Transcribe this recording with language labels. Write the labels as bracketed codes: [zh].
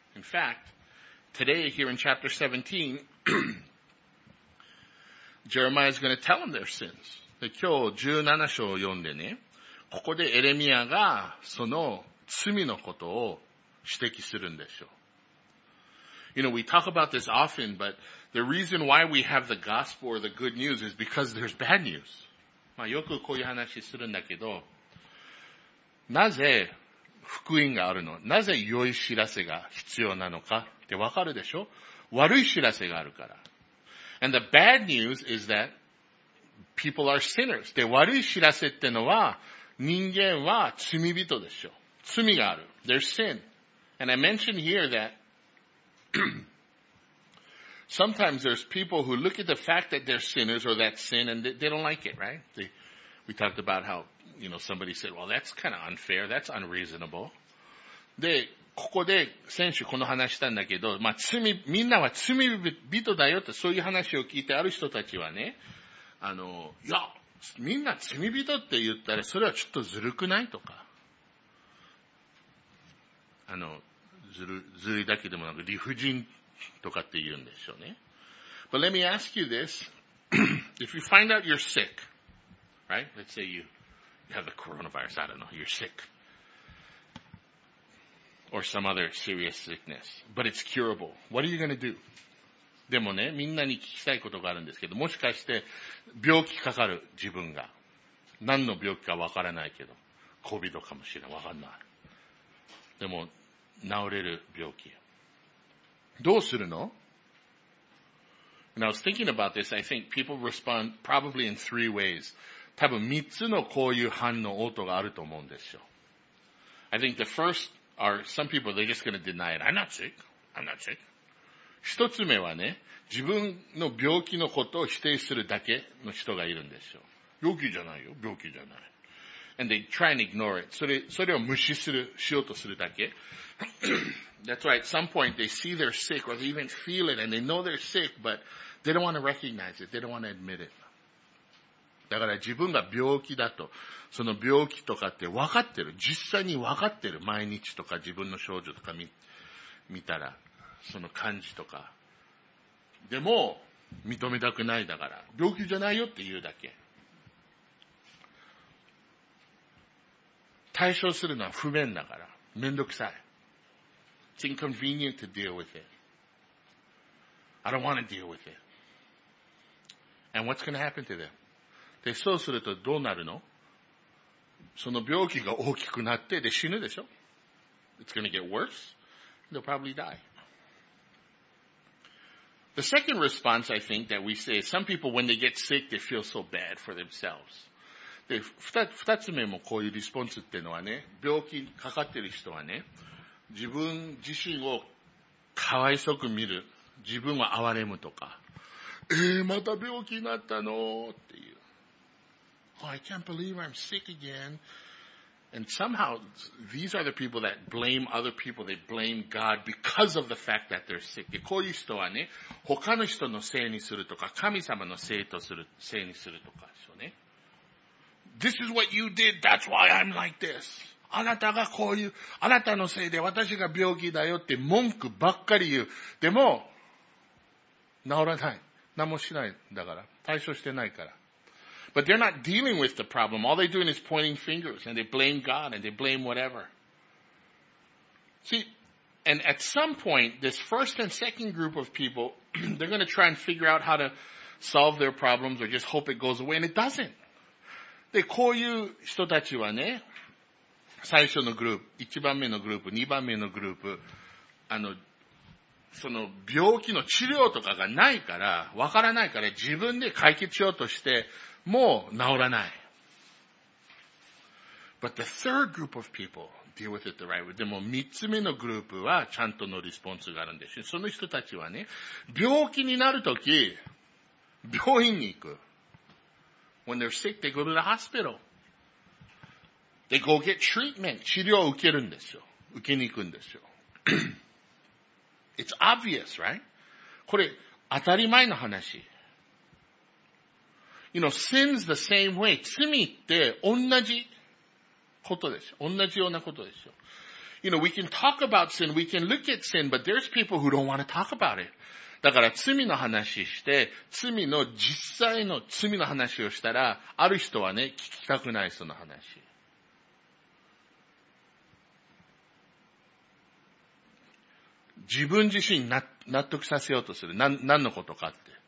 [en] In fact, today here in chapter 17, Jeremiah is going to tell them their sins. [ja] で今日17章を読んでね、ここでエレミアがその罪のことを指摘するんでしょう。 [en] You know, we talk about this often, but the reason why we have the gospel or the good news is because there's bad news. [ja] まあよくこういう話するんだけど、なぜ福音があるの。なぜ良い知らせが必要なのかってわかるでしょ？悪い知らせがあるから。 [en] And the bad news is that people are sinners. [ja] で、悪い知らせってのは人間は罪人でしょ。罪がある。 [en] There's sin. And I mentioned here that sometimes there's people who look at the fact that they're sinners or that sin and they don't like it, right? We talked about how, you know, somebody said, well, that's kind of unfair. That's unreasonable. [ja] で、ここで先週この話したんだけど、まあ罪、みんなは罪人だよってそういう話を聞いてある人たちはね、あの、いや、みんな罪人って言ったらそれはちょっとずるくないとか。あの、ずるいだけでもなく理不尽とかって言うんでしょうね。 [en] But let me ask you this. If you find out you're sick, right? Let's say you have the coronavirus, I don't know, you're sick. Or some other serious sickness. But it's curable. What are you gonna do? [ja] でもね、みんなに聞きたいことがあるんですけど、もしかして病気かかる自分が。何の病気かわからないけど、COVIDかもしれない。わかんない。でも、治れる病気。どうするの？ [en] And I was thinking about this, I think people respond probably in three ways. [ja] 多分三つのこういう反応、応答があると思うんですよ。 [en] I think the first are some people, they're just gonna deny it. I'm not sick. [ja] 一つ目はね、自分の病気のことを否定するだけの人がいるんですよ。病気じゃないよ、病気じゃない。 [en] And they try and ignore it. [ja] それを無視する、しようとするだけ。 [en] That's why at some point they see they're sick or they even feel it and they know they're sick, but they don't want to recognize it. They don't want to admit it. [ja] だから自分が病気だと、その病気とかって分かってる。実際に分かってる。毎日とか自分の症状とか見たら、その感じとか。でも、認めたくないだから、病気じゃないよって言うだけ。対処するのは不便だから、めんどくさい。 [en] It's inconvenient to deal with it. I don't want to deal with it. And what's going to happen to them? [ja] で、そうするとどうなるの？その病気が大きくなって、で、死ぬでしょ？ [en] It's going to get worse. They'll probably die. The second response, I think, that we say, some people, when they get sick, they feel so bad for themselves. [ja] で、二つ目もこういうリスポンスっていうのはね、病気かかってる人はね、自分自身をかわいそく見る。自分を憐れむとか。また病気になったのっていう。 [en] Oh, I can't believe I'm sick again. And somehow, these are the people that blame other people. They blame God because of the fact that they're sick. [ja] で、こういう人はね、他の人のせいにするとか、神様のせいにするとかですよね。 [en] This is what you did, that's why I'm like this. [ja] あなたがこういう、あなたのせいで私が病気だよって文句ばっかり言う。でも、治らない。何もしないんだから。対処してないから。 [en] But they're not dealing with the problem. All they're doing is pointing fingers and they blame God and they blame whatever. See, and at some point, this first and second group of people, they're going to try and figure out how to solve their problems or just hope it goes away and it doesn't. [ja] で、こういう人たちはね、最初のグループ、一番目のグループ、二番目のグループ、あの、その病気の治療とかがないから、わからないから自分で解決しようとして、もう治らない。 [en] But the third group of people deal with it the right way. [ja] でも三つ目のグループはちゃんとのリスポンスがあるんですよ。その人たちはね、病気になるとき、病院に行く。 [en] When they're sick, they go to the hospital. They go get treatment. [ja] 治療を受けるんですよ。受けに行くんですよ。 [en] It's obvious, right? [ja] これ、当たり前の話。 [en] You know, sin's the same way. [ja] 罪って同じことです。同じようなことですよ。 [en] You know, we can talk about sin, we can look at sin, but there's people who don't want to talk about it. [ja] だから罪の話して、罪の実際の罪の話をしたら、ある人はね、聞きたくない人の話。自分自身納得させようとする。何のことかって。